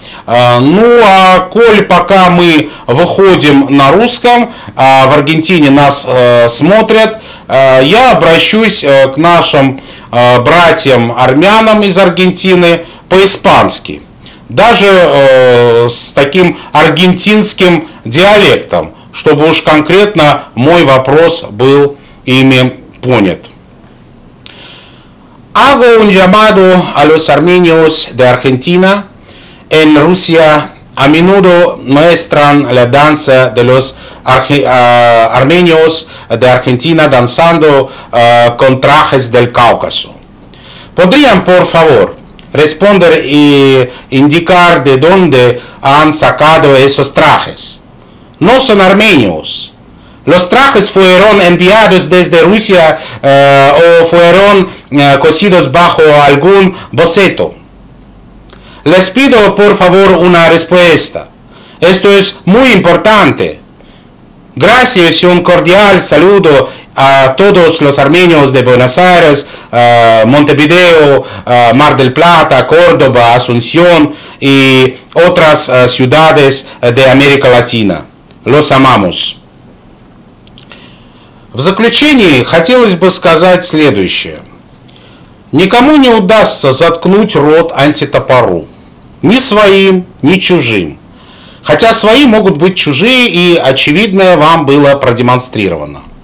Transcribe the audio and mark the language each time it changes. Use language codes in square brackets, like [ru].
[ru] Ну а коль пока мы выходим на русском, а в Аргентине нас смотрят, я обращусь к нашим братьям-армянам из Аргентины по-испански. Даже с таким аргентинским диалектом, чтобы уж конкретно мой вопрос был ими понят. [es] Hago un llamado a los armenios de Argentina en Rusia a menudo muestran la danza de los armenios de Argentina danzando con trajes del Cáucaso. ¿Podrían, por favor, responder e indicar de dónde han sacado esos trajes? No son armenios. Los trajes fueron enviados desde Rusia o fueron cosidos bajo algún boceto. Les pido, por favor, una respuesta. Esto es muy importante. Gracias y un cordial saludo a todos los armenios de Buenos Aires, Montevideo, Mar del Plata, Córdoba, Asunción y otras ciudades de América Latina. Los amamos. [ru] В заключении хотелось бы сказать следующее. Никому не удастся заткнуть рот антитопору. Ни своим, ни чужим. Хотя свои могут быть чужие, и очевидное вам было продемонстрировано.